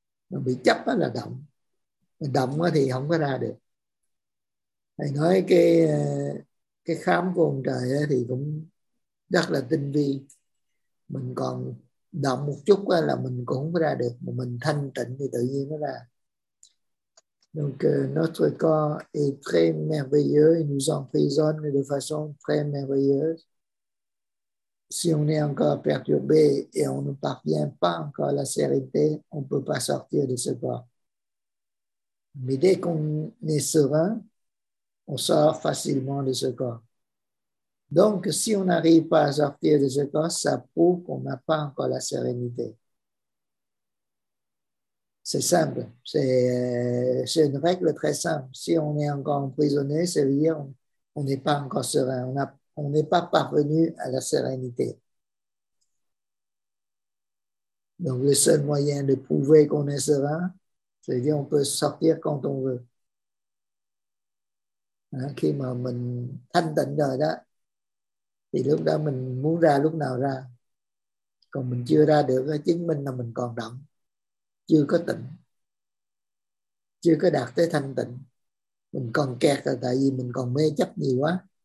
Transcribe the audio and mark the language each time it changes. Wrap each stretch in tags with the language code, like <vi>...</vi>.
<vi>Mà bị chấp là động. Mình động thì không có ra được. Thầy nói cái khám của ông trời thì cũng rất là tinh vi. Mình còn động một chút là mình cũng không ra được. Mà mình thanh tịnh thì tự nhiên nó ra.</vi> <fr>Donc notre corps est très merveilleux. Il nous emprisonne de façon très merveilleuse. Si on est encore perturbé et on ne parvient pas encore à la sérénité, on ne peut pas sortir de ce corps. Mais dès qu'on est serein, on sort facilement de ce corps. Donc, si on n'arrive pas à sortir de ce corps, ça prouve qu'on n'a pas encore la sérénité. C'est simple. C'est une règle très simple. Si on est encore emprisonné, ça veut dire qu'on n'est pas encore serein. On n'est pas parvenu à la sérénité. Donc, le seul moyen de prouver qu'on est serein, c'est de dire qu'on peut sortir quand on veut.</fr> <vi>Khi mà mình thanh tịnh rồi đó, thì lúc đó mình muốn ra lúc nào ra. Còn mình chưa ra được chứng minh là mình còn động, chưa có tỉnh, chưa có đạt tới thanh tịnh. Mình còn kẹt rồi, tại vì mình còn mê chấp nhiều quá.</vi>